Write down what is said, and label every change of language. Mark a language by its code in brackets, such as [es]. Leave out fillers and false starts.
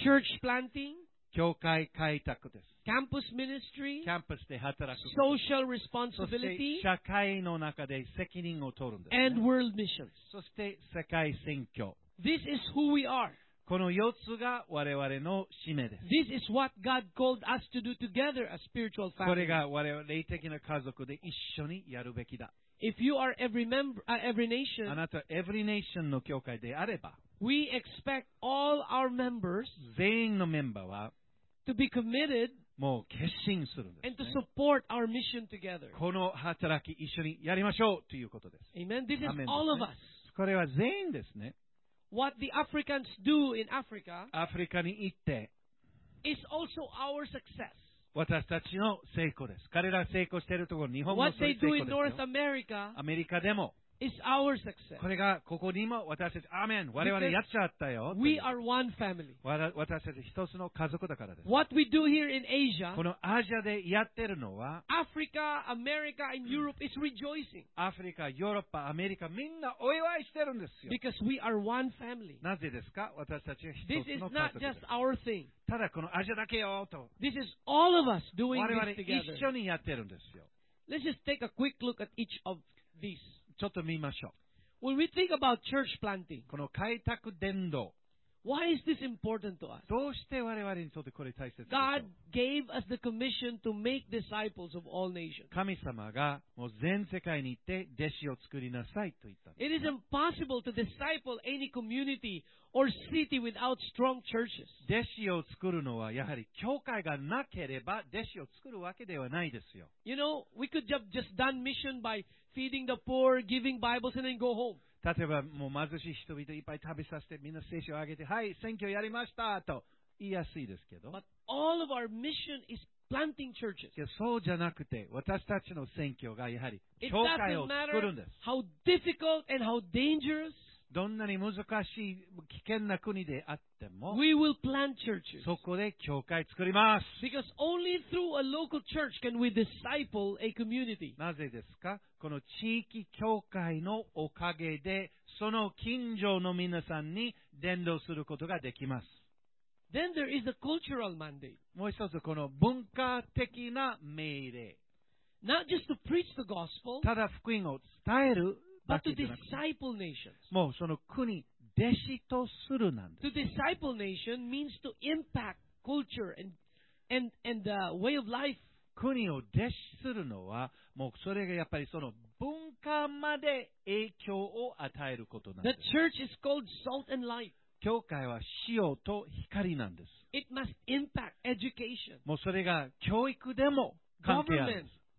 [en] Church planting. [ja] 教会開拓です。 [en] Campus ministry, [ja] キャンパスで働く。 [en] Social responsibility, [ja] そして社会の中で責任を取るんです、ね。 [en] And world missions. [ja] そして世界宣教。 [en] This is who we are. [ja] この四つが我々の使命です。 [en] This is what God called us to do together as spiritual family. [ja] これが我々霊的な家族で一緒にやるべきだ。 [en] If you are every member, every nation, [ja] あなた every nation の教会であれば、 [en] We expect all our members [ja] 全員のメンバーは [en] to be committed [ja] もう決心するんですね。 [en] And to support our mission together. [ja] この働き一緒にやりましょうということです。 [en] Amen. This is all of us. [ja] これは全員ですね。 [en] What the Africans do in Africa, [ja] アフリカに行って、 [en] is also our success. [ja] 私たちの成功です。彼ら成功しているところ、日本も成功ですよ。 [en] What they do in North America, [ja] アメリカでも、 [en] is our success. [ja] これがここにも私たち、アーメン、我々やっちゃったよ。 [en] We are one family. [ja] 私たち一つの家族だからです。 [en] What we do here in Asia, [ja] このアジアでやってるのは、 [en] Africa, America, and Europe is rejoicing. [ja] アフリカ、ヨーロッパ、アメリカ、みんなお祝いしてるんですよ。 [en] Because we are one family. [ja] なぜですか？私たちは一つの家族です。 [en] This is not just our thing. [ja] ただこのアジアだけよと。 [en] This is all of us doing this together. [ja] 我々一緒にやってるんですよ。 [en] Let's just take a quick look at each of these. [ja] ちょっと見ましょう。 [en] When we think about church planting, [ja] この開拓伝道、 [en] why is this important to us? [ja] どうして我々にとってこれ大切ですか？ [en] God gave us the commission to make disciples of all nations. [ja] 神様がもう全世界に行って弟子を作りなさいと言ったんです。 [en] It is impossible to disciple any community or city without strong churches. [ja] 弟子を作るのはやはり教会がなければ弟子を作るわけではないですよ。 [en] You know, we could have just done mission by feeding the poor, giving Bibles, and then go home. [ja] 例えばもう貧しい人々いっぱい食べさせてみんな聖書をあげてはい選挙やりましたと言いやすいですけど、 [en] But all of our mission is planting churches. [ja] そうじゃなくて私たちの選挙がやはり教会を作るんです。 [en] How difficult and how dangerous, [ja] どんなに難しい危険な国であっても [en] we will plant churches. [ja] そこで教会作ります。 [en] Because only through a local church can we disciple a community. [ja] なぜですか？この地域教会のおかげでその近所の皆さんに伝道することができます。 [en] Then there is a cultural mandate. [ja] もう一つこの文化的な命令、 [en] Not just to preach the gospel, [ja] ただ福音を伝える、 [en] But to disciple nations. [ja] もうその国弟子とするなんです。 [en] To disciple nation means to impact culture and the way of life. [ja] 国を弟子するのはもうそれがやっぱりその文化まで影響を与えることなんです。 [en] The church is called salt and light. [ja] 教会は塩と光なんです。 [en] It must impact education. [ja] もうそれが教育でも関係あるんです。